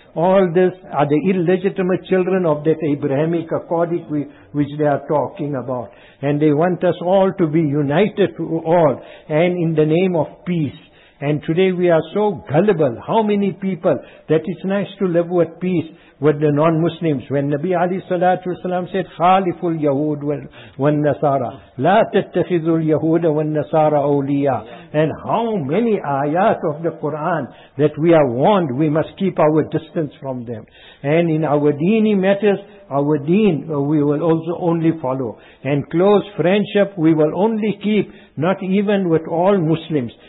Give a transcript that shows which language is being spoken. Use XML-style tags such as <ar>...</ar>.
<en>All this are the illegitimate children of that Abrahamic Accord which they are talking about. And they want us all to be united to all and in the name of peace. And today we are so gullible. How many people that it's nice to live with peace with the non-Muslims. When Nabi Ali Salatu Wasalam said,</en> <ar>خَالِفُ الْيَهُودُ وَالنَّسَارَ لَا تَتَّخِذُ الْيَهُودَ وَالنَّسَارَ أَوْلِيَا.</ar> <en>And how many ayat of the Quran that we are warned we must keep our distance from them. And in our deeni matters, our deen we will also only follow. And close friendship we will only keep, not even with all Muslims.</en>